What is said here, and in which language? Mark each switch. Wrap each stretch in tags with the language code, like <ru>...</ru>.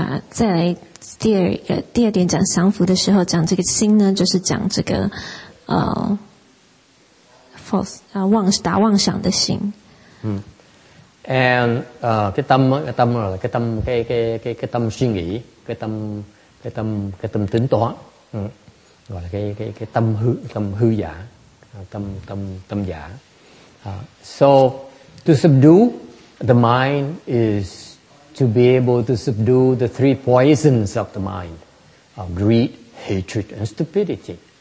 <zh>再来第二点讲降伏的时候讲这个心呢，就是讲这个false妄想的心。</zh> <vi>And cái tâm tính toán, gọi là cái tâm hư giả.</vi> <en>So to subdue the mind is to be able to subdue the three poisons of the mind, of greed, hatred, and stupidity.</en>